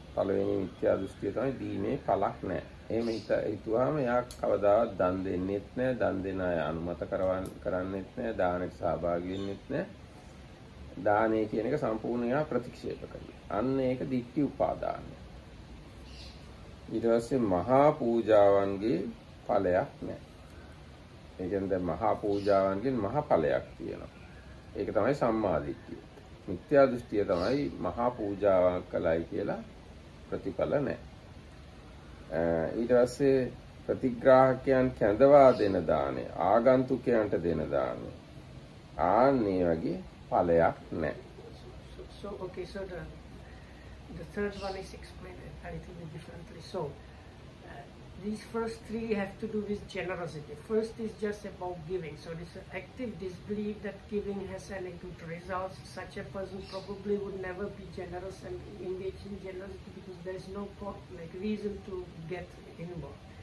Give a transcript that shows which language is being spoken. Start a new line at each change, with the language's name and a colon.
Sinhala: පළවෙනි මිත්‍යා දෘෂ්ටිය තමයි දීමේ ඵලක් නැහැ. එහෙම හිතුවාම එයා කවදාවත් දන් දෙන්නෙත් නැහැ, දන් දෙන අය අනුමත කරන්නෙත් නැහැ, දානෙට සහභාගී වෙන්නෙත් නැහැ. දානේ කියන එක සම්පූර්ණ එයා ප්‍රතික්ෂේප කරනවා. අන්න ඒක ditthi upadana. ඊට පස්සේ මහා පූජාවන්ගේ ඵලයක් නැහැ. ඒ කියන්නේ මහා පූජාවන්ගෙන් මහ ඵලයක් තියෙනවා. ඒක තමයි සම්මා දිට්ඨිය. මිත්‍යා දෘෂ්ටිය තමයි මහා පූජාවක් කළයි කියලා ප්‍රතිඵල නැහැ. ඊට පස්සේ ප්‍රතිග්‍රාහකයන් කැඳවා දෙන දානය, ආගන්තුකයන්ට දෙන දානය, ආන්නේ වගේ ඵලයක් නැහැ.
English: So okay, so the third one is explained a little bit differently. So these first three have to do with generosity. First is just about giving. So this active disbelief that giving has any good results, such a person probably would never be generous and engage in generosity because there's no reason to get involved.